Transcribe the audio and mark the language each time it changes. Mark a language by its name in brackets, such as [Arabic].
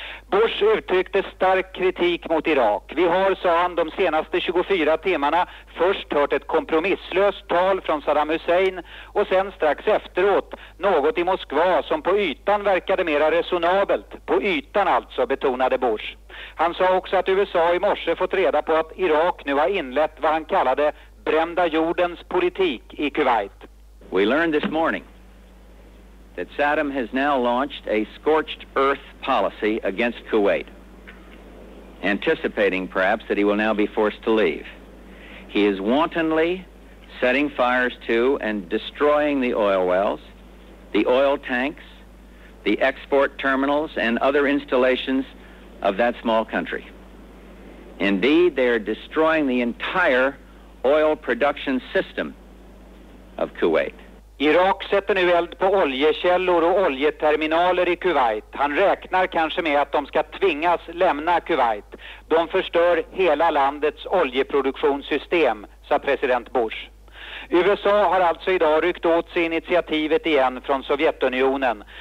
[Swedish] Bush uttryckte stark kritik mot Irak. Vi har, sa han, de senaste 24 timmarna först hört ett kompromisslöst tal från Saddam Hussein och sen strax efteråt något i Moskva som på ytan verkade mera resonabelt. På ytan alltså, betonade Bush. Han sa också att USA i morse fått reda på att Irak nu har inlett vad han kallade brända jordens politik i Kuwait. [English] We learned this morning that Saddam has now launched a scorched earth policy against Kuwait, anticipating perhaps that he will now be forced to leave. He is wantonly setting fires to and destroying the oil wells, the oil tanks, the export terminals, and other installations of that small country. Indeed, they are destroying the entire oil production system of Kuwait. [Swedish] Irak sätter nu eld på oljekällor och oljeterminaler i Kuwait. Han räknar kanske med att de ska tvingas lämna Kuwait. De förstör hela landets oljeproduktionssystem, sa president Bush. USA har alltså idag ryckt åt sig initiativet igen från Sovjetunionen.